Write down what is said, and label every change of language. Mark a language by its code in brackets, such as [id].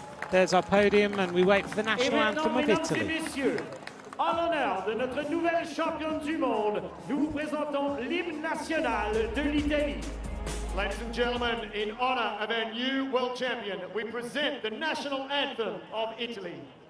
[en] There's our podium, and we wait for the national anthem of Italy. [fr] En l'honneur de notre nouvelle championne du monde, nous vous présentons l'hymne national de l'Italie. [en] Ladies and gentlemen, in honor of our new world champion, we present the national anthem of Italy.